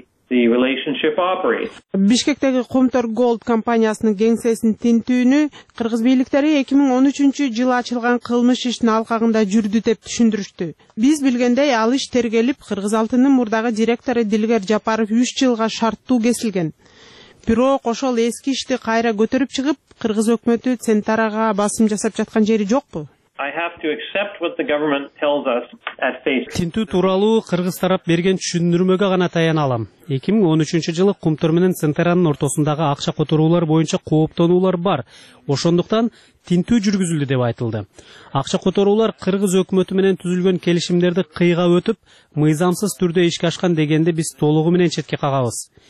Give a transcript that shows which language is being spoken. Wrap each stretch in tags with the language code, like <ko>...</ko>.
<ky>Бишкектеги Кумтөр Голд компаниясынын кеңсесинин тинтүүнү кыргыз бийликтери 2013 жылы ачылган кылмыш иштин алкагында жүрдү деп түшүндүрүштү. Биз билгендей ал иш тергелип, Кыргыз алтынынын мурдагы директору Дилгер Жапаров 3 жылга шарттуу кесилген. Бирок ошол эски ишти кайра көтөрүп чыгып, кыргыз өкмөтү Центарага басым жасап жаткан жери жокпу?</ky> <en>I have to accept what the government tells us at face.</en> <ky>Тинтүү тууралуу кыргыз тарап берген түшүндүрмөгө гана таяна алам. 2013 жылы Кумтөр менен Центеранын ортосундагы акча которуулар боюнча кооптонуулар бар. Ошондуктан тинтүү жүргүзүлдү деп айтылды. Акча которуулар кыргыз өкмөтү менен түзүлгөн келишимдерди кыйга өтүп, мыйзамсыз түрдө ишке ашкан дегенде биз толугу менен четке кагабыз.</ky>